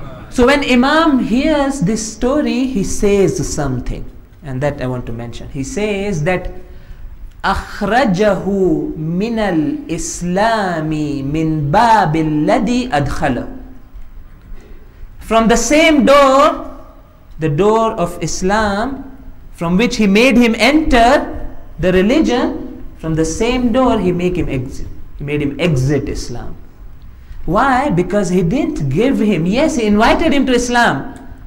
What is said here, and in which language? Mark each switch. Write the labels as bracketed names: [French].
[English] So when Imam hears this story, he says something, and that I want to mention. He says that [Arabic] أَخْرَجَهُ مِنَ الْإِسْلَامِ مِنْ بَابِ الَّذِي أَدْخَلَ. [English] From the same door, the door of Islam, from which he made him enter the religion, from the same door he made him exit. He made him exit Islam. Why? Because he didn't give him, yes, he invited him to Islam.